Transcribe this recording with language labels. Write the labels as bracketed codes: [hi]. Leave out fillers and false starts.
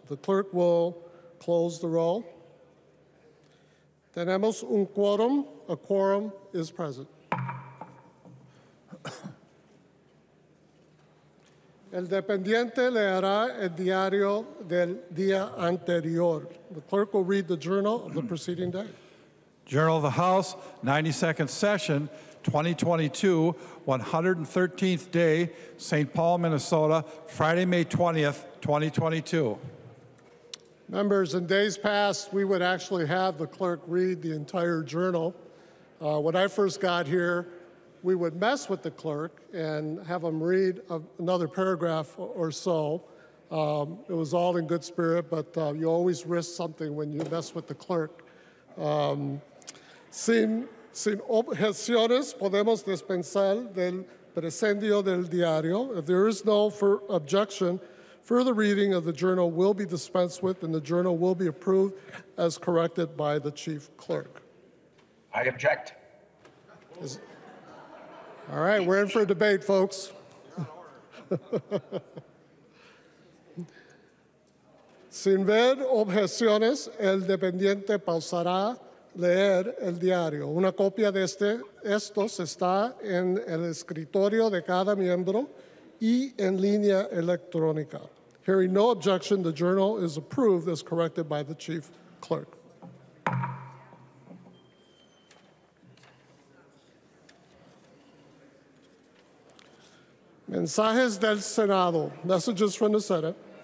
[en] The clerk will close the roll. [es] Tenemos un quórum. [en] A quorum is present. [es] El dependiente leerá el diario del día anterior. [en] The clerk will read the journal of the preceding day. Journal of the House, 92nd Session, 2022, 113th Day, St. Paul, Minnesota, Friday, May 20th, 2022. Members, in days past, we would actually have the clerk read the entire journal. When I first got here, we would mess with the clerk and have him read another paragraph or so. It was all in good spirit, but you always risk something when you mess with the clerk. [es] Sin objeciones, podemos dispensar del presendio del diario. [en] If there is no objection, further reading of the journal will be dispensed with and the journal will be approved as corrected by the chief clerk. I object. All right, we're in for a debate, folks. [es] Sin ver objeciones, el dependiente pausará leer el diario. Una copia de estos está en el escritorio de cada miembro y en línea electrónica. [en] Hearing no objection, the journal is approved as corrected by the chief clerk. [es] Mensajes del Senado. [en] Messages from the Senate.